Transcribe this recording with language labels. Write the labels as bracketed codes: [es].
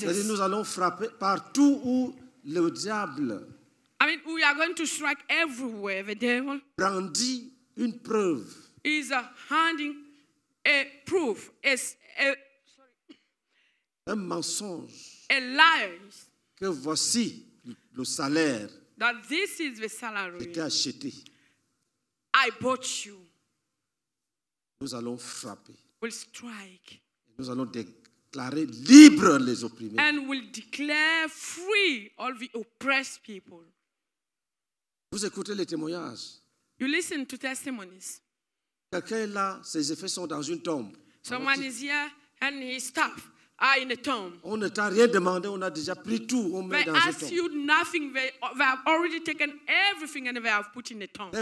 [fr] C'est-à-dire nous allons frapper partout où le diable. [en] I mean, we are going to strike everywhere the devil. [fr] Brandit une preuve. [en] Is a handing a proof. [fr] Un mensonge. [en] A lie. [fr] Que voici le salaire. [en] That this is the salary. [fr] J'étais acheté. [en] I bought you. [fr] Nous allons frapper. [en] We'll strike. [fr] Nous allons déclarer libres les opprimés. [en] And we'll declare free all the oppressed people. [fr] Vous écoutez les témoignages. [en] You listen to testimonies. [fr] Quelqu'un là, ses effets sont dans une tombe. [en] Someone is here and his staff are in a tomb. [fr] On ne t'a rien demandé, on a déjà pris tout, on met [en] they [fr] dans une tombe. [en] They ask you nothing, they have already taken everything and they have put in a tomb.